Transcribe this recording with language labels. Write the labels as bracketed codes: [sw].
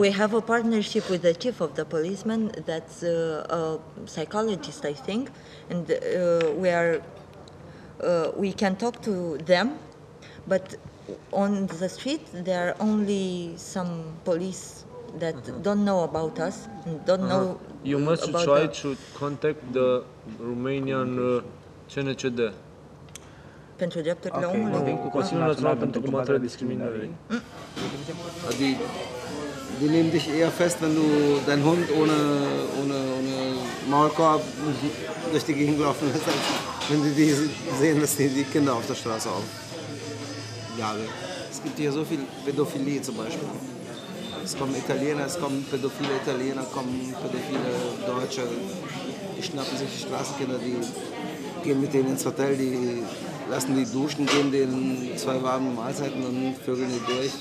[en] we have a partnership with the chief of the policeman, that's a psychologist, I think, and we are we can talk to them, but on the street there are only some police that uh-huh. don't know about us, and don't uh-huh. know. You must about try to contact the Romanian CNCD. [ro] Pentru drepturi la omului. Consiliul Național pentru combaterea discriminării. [de] Adică, wir nehmen dich eher fest, wenn du dein Hund ohne Maulkorb durch die Gegend laufen lässt, wenn die sehen, dass die Kinder auf der Straße auf. Ja, es gibt hier so viel Pädophilie zum Beispiel. Es kommen Italiener, es kommen pädophile Italiener, kommen pädophile Deutsche, die schnappen sich die Straßenkinder, die gehen mit denen ins Hotel, die lassen die duschen, geben denen zwei warme Mahlzeiten und vögeln die durch.